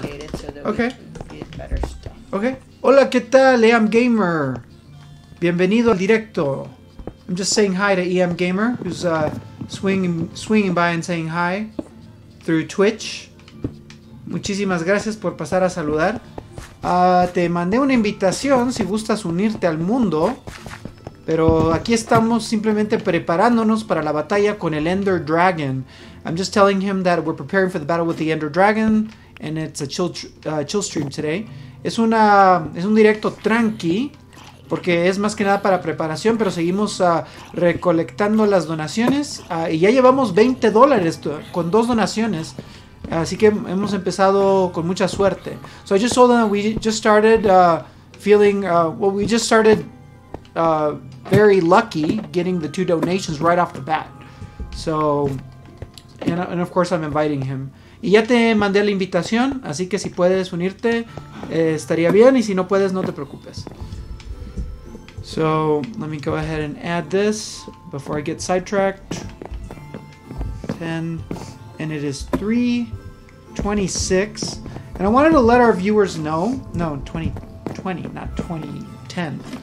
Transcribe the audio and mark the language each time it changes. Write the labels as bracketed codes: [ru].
[en] Duplicate it so that okay. we can get better stuff. [es] Okay. Hola, ¿qué tal, EM Gamer? Bienvenido al directo. [en] I'm just saying hi to EM Gamer, who's swinging by and saying hi through Twitch. [es] Muchísimas gracias por pasar a saludar. Te mandé una invitación si gustas unirte al mundo, pero aquí estamos simplemente preparándonos para la batalla con el Ender Dragon. [en] I'm just telling him that we're preparing for the battle with the Ender Dragon, and it's a chill stream today. [es] Es un directo tranqui, porque es más que nada para preparación, pero seguimos recolectando las donaciones. Y ya llevamos $20 con dos donaciones. Así que hemos empezado con mucha suerte. [en] So I just told them that we just started very lucky getting the two donations right off the bat. So, and of course I'm inviting him. [es] Y ya te mandé la invitación, así que si puedes unirte, estaría bien. Y si no puedes, no te preocupes. [en] So, let me go ahead and add this before I get sidetracked. 10, and it is 3:26. And I wanted to let our viewers know, no, 2020, not 2010.